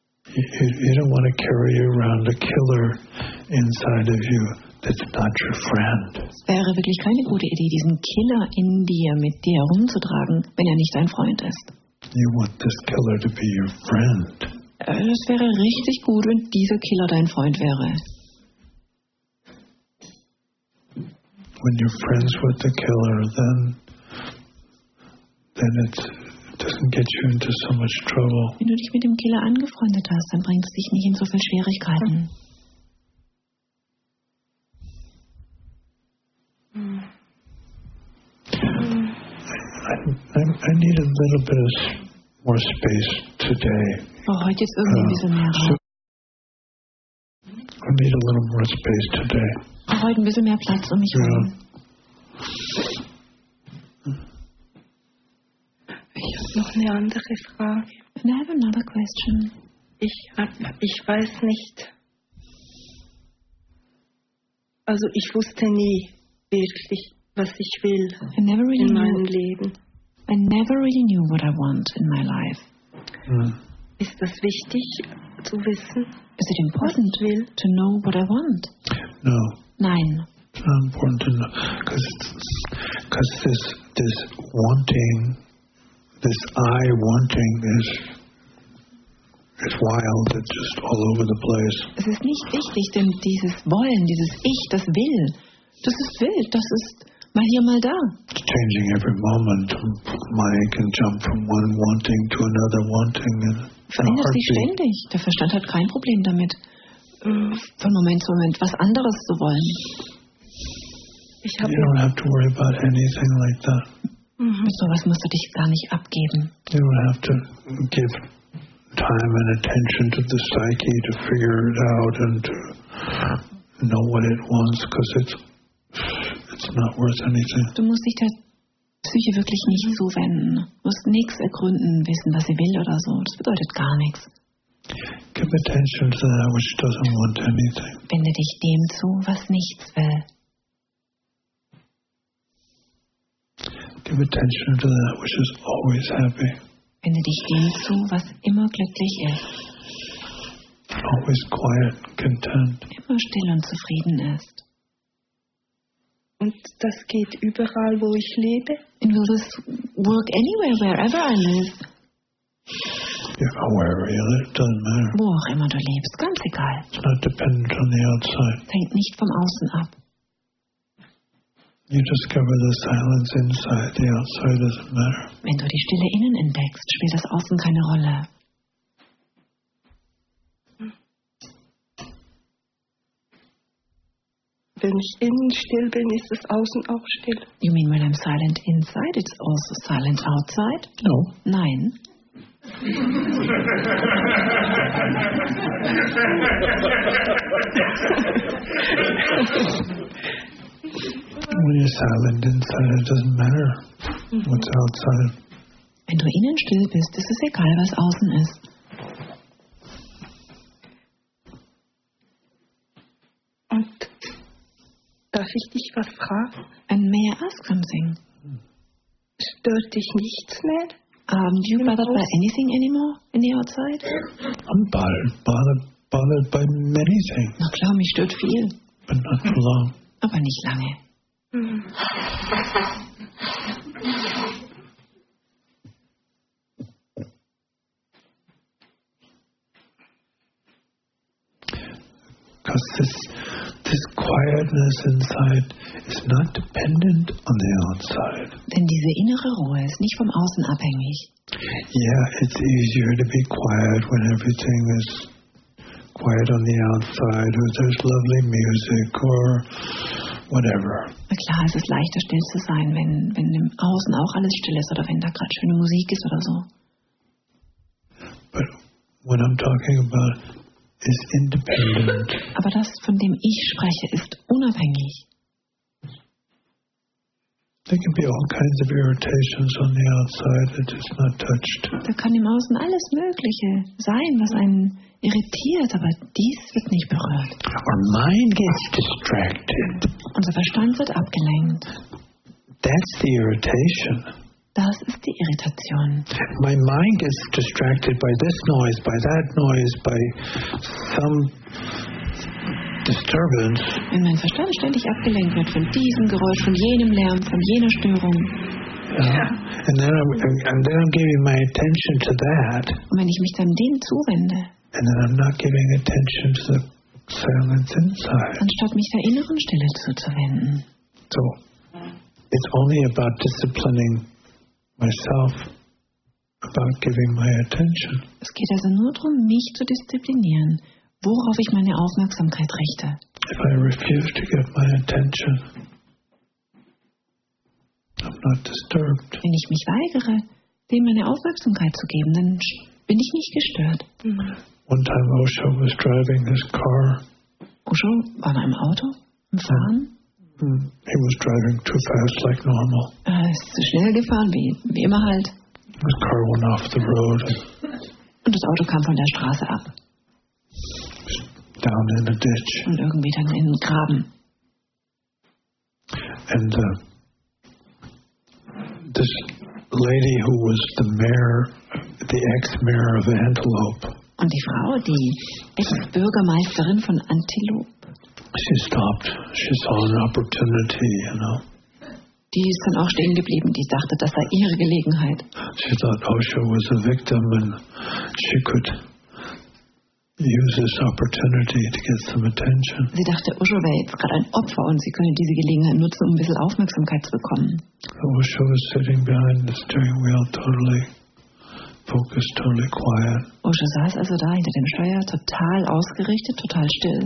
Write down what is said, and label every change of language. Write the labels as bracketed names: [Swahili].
[English] You don't want to carry around a killer inside of you that's not your friend. [German] Es wäre wirklich keine gute Idee, diesen Killer in dir mit dir herumzutragen, wenn er nicht dein Freund ist. [English] You want this killer to be your friend. [German] Es wäre richtig gut, wenn dieser Killer dein Freund wäre. [English] When you're friends with the killer, then it doesn't get you into so much trouble. [German] Wenn du dich mit dem Killer angefreundet hast, dann bringt es dich nicht in so viel Schwierigkeiten. [English] I need a little bit of more space today. [German] Oh, heute ist irgendwie ein bisschen mehr Raum. [English] I need a little more space today. [German] Oh, heute ein bisschen mehr Platz um mich herum. Ich habe noch eine andere Frage. [English] And I have another question. [German] Ich weiß nicht. Also ich wusste nie wirklich, was ich will [English] I never really [German] in meinem [English] knew. [German] Leben. [English] I never really knew what I want in my life. [German] Hmm. Ist das wichtig zu wissen? [English] Is it important [German] will? [English] To know what I want? No. [German] Nein. [English] It's not important to know, because this wanting, this I wanting is wild. It's just all over the place. [German] Es ist nicht wichtig, denn dieses Wollen, dieses Ich, das Will, das ist wild, das ist mal hier, mal da. [English] It's changing every moment. My I can jump from one wanting to another wanting. [German] Verändert sich ständig. Der Verstand hat kein Problem damit, von Moment zu Moment was anderes zu wollen. [English] You don't have to worry about anything like that. [German] Mm-hmm. Sowas musst du dich gar nicht abgeben. [English] You don't have to give time and attention to the psyche to figure it out and to know what it wants, because it's not worth anything. [German] Du musst dich der Psyche wirklich nicht zuwenden. Du musst nichts ergründen, wissen, was sie will oder so. Das bedeutet gar nichts. [English] Give attention to that which doesn't want anything. [German] Wende dich dem zu, was nichts will. [English] Give attention to that which is always happy. [German] Wende dich dem zu, was immer glücklich ist. [English] Always quiet, content. [German] Immer still und zufrieden ist. Und das geht überall, wo ich lebe. [English] And will this work anywhere, wherever I live? Yeah, wherever you live, doesn't matter. [German] Wo auch immer du lebst, ganz egal. [English] It's not dependent on the outside. [German] Hängt nicht vom Außen ab. [English] You discover the silence inside, the outside doesn't matter. [German] Wenn du die Stille innen entdeckst, spielt das Außen keine Rolle. Wenn ich innen still bin, ist das Außen auch still. [English] You mean when I'm silent inside, it's also silent outside? No. [German] Nein. [English] When you're silent inside, it doesn't matter what's outside. [German] Wenn du innen still bist, ist es egal, was außen ist. Und darf ich dich was fragen? [English] And may I ask something? [German] Stört dich nichts mehr? [English] Aren't you bothered by anything anymore in the outside? I'm bothered by many things. [German] Na klar, mich stört viel. [English] But not for long. [German] Aber nicht lange. [English] Because this quietness inside is not dependent on the outside. [German] Denn diese innere Ruhe ist nicht vom Außen abhängig. [English] Yeah, it's easier to be quiet when everything is quiet on the outside, or there's lovely music, or whatever. [German] Na klar, es ist leichter still zu sein, wenn im Außen auch alles still ist oder wenn da gerade schöne Musik ist oder so. [English] But what I'm talking about is independent. [German] Aber das, von dem ich spreche, ist unabhängig. [English] There can be all kinds of irritations on the outside that is not touched. [German] Da kann im Außen alles Mögliche sein, was einen irritiert, aber dies wird nicht berührt. [English] Our mind gets distracted. [German] Unser Verstand wird abgelenkt. [English] That's the irritation. [German] Das ist die Irritation. [English] My mind gets distracted by this noise, by that noise, by some disturbance. [German] Wenn mein Verstand ständig abgelenkt wird von diesem Geräusch, von jenem Lärm, von jener Störung. [English] And then I'm giving my attention to that. [German] Und wenn ich mich dann dem zuwende. [English] And then I'm not giving attention to the silence inside. [German] Anstatt mich der inneren Stille zuzuwenden. [English] So, it's only about disciplining myself, about giving my attention. [German] Es geht also nur darum, mich zu disziplinieren, worauf ich meine Aufmerksamkeit richte. [English] If I refuse to give my attention, I'm not disturbed. [German] Wenn ich mich weigere, dem meine Aufmerksamkeit zu geben, dann bin ich nicht gestört. [English] One time Osho was driving his car. [German] Osho war in einem Auto, im Fahren. [English] He was driving too fast, like normal. [German] Er ist zu schnell gefahren, wie immer halt. [English] His car went off the road. [German] Und das Auto kam von der Straße ab. [English] Down in a ditch. [German] Und irgendwie dann in den Graben. [English] And this lady who was the mayor, the ex-mayor of Antelope. [German] Und die Frau, die Ex-Bürgermeisterin von Antelope. [English] She stopped. She saw an opportunity, you know. [German] Die ist dann auch stehen geblieben. Die dachte, das sei ihre Gelegenheit. [English] She thought Osho was a victim and she could use this opportunity to get some attention. [German] Sie dachte, Osho wäre jetzt gerade ein Opfer und sie könne diese Gelegenheit nutzen, um ein bisschen Aufmerksamkeit zu bekommen. [English] Osho was sitting behind the steering wheel, totally focused, totally quiet. [German] Osho saß also da hinter dem Steuer, total ausgerichtet, total still.